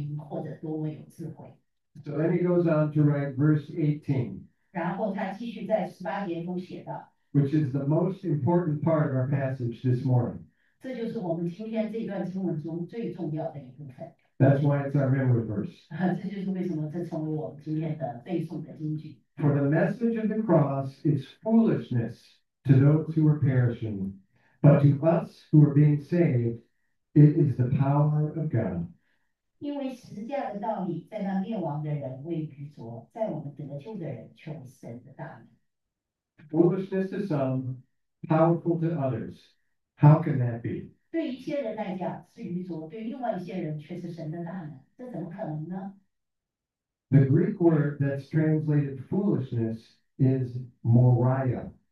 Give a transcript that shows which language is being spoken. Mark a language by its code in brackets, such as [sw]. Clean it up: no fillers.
[zh] 而不是他听起来有多么聪明或者多么有智慧。 [en] So then he goes on to write verse 18. [zh] 然后他继续在18节中写道。 [en] Which is the most important part of our passage this morning. [zh] 这就是我们今天这段经文中最重要的一部分。 [en] That's why it's our memory verse. [zh] 这就是为什么这成为我们今天的背诵的金句。 [en] For the message of the cross is foolishness to those who are perishing, but to us who are being saved, it is the power of God. [zh] 因为十字架的道理在那灭亡的人为愚拙，在我们得救的人却为神的大能。 [en] Foolishness to some, powerful to others. How can that be? [zh] 对一些人来讲是愚拙，对另外一些人却是神的大能，这怎么可能呢？ [en] The Greek word that's translated foolishness is moraia.